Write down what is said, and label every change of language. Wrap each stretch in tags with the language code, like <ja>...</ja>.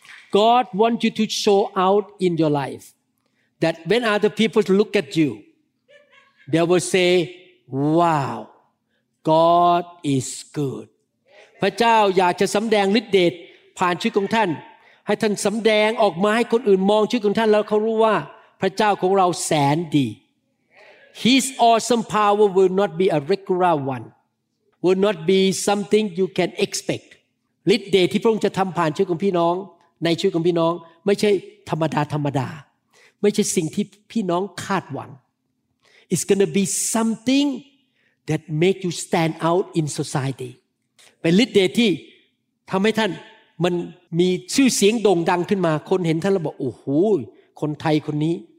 <en>God wants you to show out in your life that when other people look at you, they will say, wow, God is good.</en> <th>พระเจ้าอยากจะสำแดงฤทธิ์เดชผ่านชีวิตของท่านให้ท่านสำแดงออกมาให้คนอื่นมองชีวิตของท่านแล้วเขารู้ว่าพระเจ้าของเราแสนดี</th> <en>His awesome power will not be a regular one. Will not be something you can expect.</en> <th>ฤทธิ์เดชที่พระองค์จะทำผ่านชีวิตของพี่น้องในชีวิตของพี่น้องไม่ใช่ธรรมดาธรรมดาไม่ใช่สิ่งที่พี่น้องคาดหวัง</th> <en>It's going to be something that make you stand out in society</en> <th>เป็นฤทธิ์เดชที่ทำให้ท่านมันมีชื่อเสียงโด่งดังขึ้นมาคนเห็นท่านแล้วบอกโอ้โหคนไทยคนนี้</th>